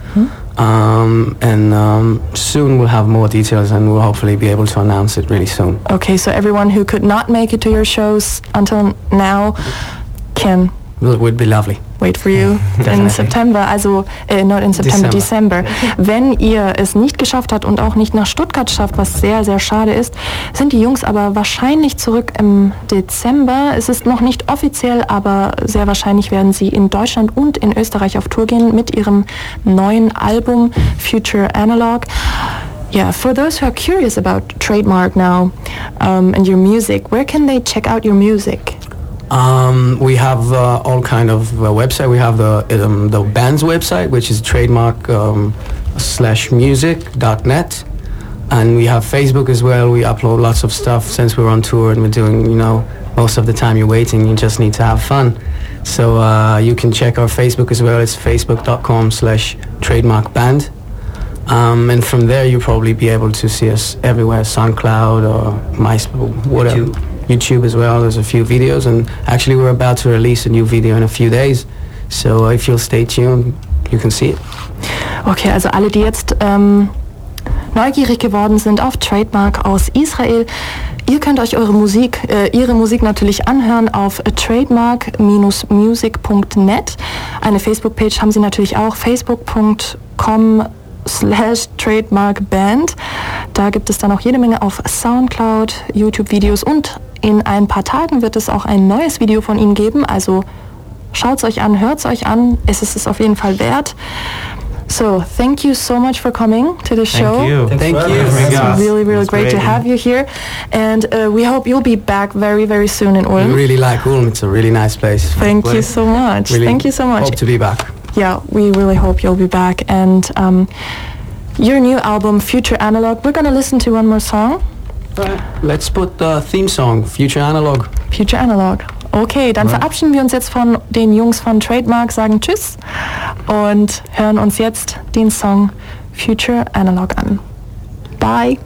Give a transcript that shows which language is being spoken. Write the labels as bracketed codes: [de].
[en] Mm-hmm. And soon we'll have more details and we'll hopefully be able to announce it really soon. Okay, so everyone who could not make it to your shows until now can... It would be lovely. Wait for you in September, also not in September, December. [de] Wenn ihr es nicht geschafft habt und auch nicht nach Stuttgart schafft, was sehr, sehr schade ist, sind die Jungs aber wahrscheinlich zurück im Dezember. Es ist noch nicht offiziell, aber sehr wahrscheinlich werden sie in Deutschland und in Österreich auf Tour gehen mit ihrem neuen Album Future Analog. [en] Yeah, for those who are curious about Trademark now and your music, where can they check out your music? We have all kind of website. We have the band's website, which is trademark/music.net, and we have Facebook as well. We upload lots of stuff since we're on tour and we're doing, you know, most of the time you're waiting, you just need to have fun. So you can check our Facebook as well. It's facebook.com/trademarkband, and from there you'll probably be able to see us everywhere, SoundCloud or MySpace, whatever. YouTube as well, there's a few videos, and actually we're about to release a new video in a few days, so if you'll stay tuned, you can see it. [de] Okay, also alle, die jetzt neugierig geworden sind auf Trademark aus Israel, ihr könnt euch eure Musik, ihre Musik natürlich anhören auf trademark-music.net. Eine Facebook-Page haben sie natürlich auch, facebook.com/trademarkband. Da gibt es dann auch jede Menge auf SoundCloud, YouTube-Videos, und in ein paar Tagen wird es auch ein neues Video von ihnen geben. Also schaut es euch an, hört es euch an. Es ist es auf jeden Fall wert. [en] So, thank you so much for coming to the show. Thank you. Thank you. It's really, really great to have you here. And we hope you'll be back very, very soon in Ulm. We really like Ulm. It's a really nice place. Thank you so much. Really, thank you so much. Hope to be back. Yeah, we really hope you'll be back. And your new album, Future Analog, we're going to listen to one more song. Let's put the theme song, Future Analog. Future Analog. [de] Okay, dann verabschieden wir uns jetzt von den Jungs von Trademark, sagen Tschüss und hören uns jetzt den Song Future Analog an. Bye.